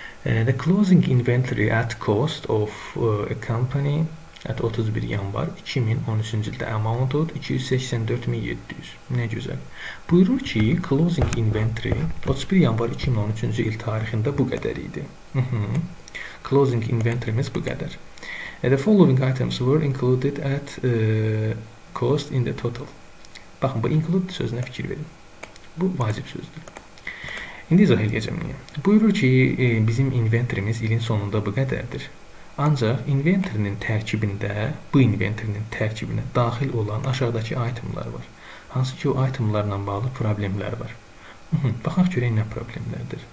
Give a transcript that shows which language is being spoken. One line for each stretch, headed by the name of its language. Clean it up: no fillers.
English: The closing inventory at cost of a company at
Azerbaijani: 31 yanvar 2013-cü ildə
English: amounted 284.700.
Azerbaijani: Nə gözəl. Buyurur ki, closing inventory 31 yanvar 2013-cü il tarixində bu qədər idi. Closing inventory-miz bu qədər.
English: The following items were included at cost in the total.
Azerbaijani: Baxın, bu include sözünə fikir verin. Bu, vacib sözdür. İndi izah edəcəm niyə. Buyurur ki, bizim inventorimiz ilin sonunda bu qədərdir. Ancaq inventorinin tərkibində, bu inventorinin tərkibinə daxil olan aşağıdakı itemlər var. Hansı ki o itemlərlə bağlı problemlər var. Baxaq görək nə problemlərdir.